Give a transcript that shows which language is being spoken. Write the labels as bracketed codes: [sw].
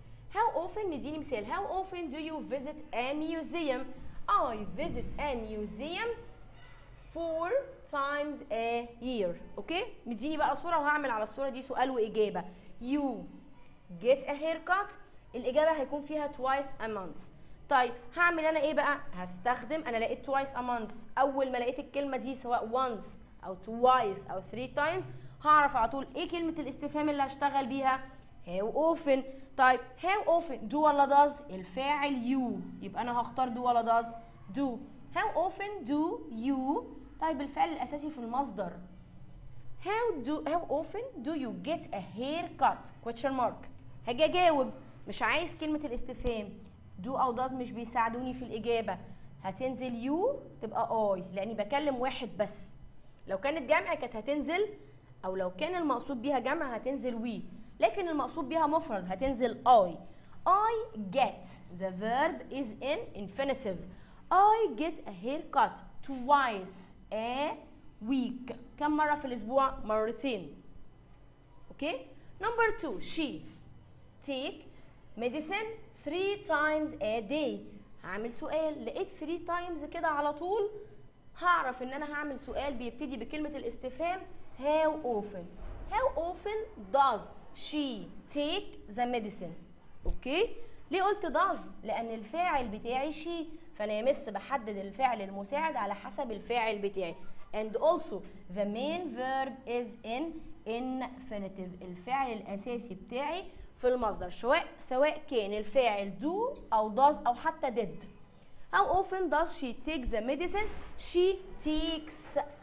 [en] How often، [ar] مديني مثال، [en] how often do you visit a museum؟ I visit a museum four times a year. [ar] اوكي؟ مديني بقى صورة وهعمل على الصورة دي سؤال وإجابة. [en] You get a haircut؟ [ar] الإجابة هيكون فيها [en] twice a month. [ar] طيب هعمل أنا إيه بقى؟ هستخدم، أنا لقيت [en] twice a month، [ar] أول ما لقيت الكلمة دي سواء once أو twice أو three times هعرف على طول إيه كلمة الاستفهام اللي هشتغل بيها؟ how often. طيب how often do ولا does؟ الفاعل you، يبقى أنا هختار do ولا does؟ do. [en] how often do you؟ [ar] طيب الفعل الأساسي في المصدر. [en] how often do you get a haircut؟ question mark. [ar] هاجي أجاوب مش عايز كلمة الاستفهام، do أو does مش بيساعدوني في الإجابة، هتنزل you تبقى I لأني بكلم واحد بس. لو كانت جمع كانت هتنزل، أو لو كان المقصود بيها جمع هتنزل we، لكن المقصود بيها مفرد هتنزل I. [en] I get، the verb is in infinitive. I get a haircut twice a week. [ar] كم مرة في الأسبوع؟ مرتين. Okay. [en] Number two، she take medicine three times a day. [ar] هعمل سؤال، لقيت three times كده على طول هعرف ان انا هعمل سؤال بيبتدي بكلمة الاستفهام how often. [en] How often does she take the medicine؟ [ar] اوكي؟ ليه قلت does؟ لان الفاعل بتاعي she، فانا يمس بحدد الفعل المساعد على حسب الفاعل بتاعي. [en] And also the main verb is in infinitive. [ar] الفعل الاساسي بتاعي في المصدر سواء كان الفاعل do أو does أو حتى did. [en] How often does she take the medicine؟ She takes.